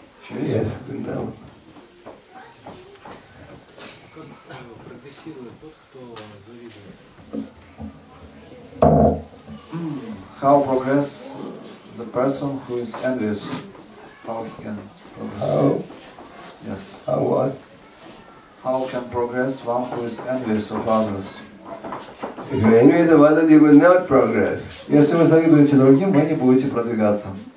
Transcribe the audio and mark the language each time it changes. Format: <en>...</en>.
<en>Yes, yes.</en> <ru>Как прогрессирует тот, кто завидует?</ru> <en>How progress? The person who is envious, how he can progress? How? Yes. How what? How can progress one who is envious of others? If you're envious of others, you will not progress.</en> <ru>Если вы завидуете другим, вы не будете продвигаться.</ru>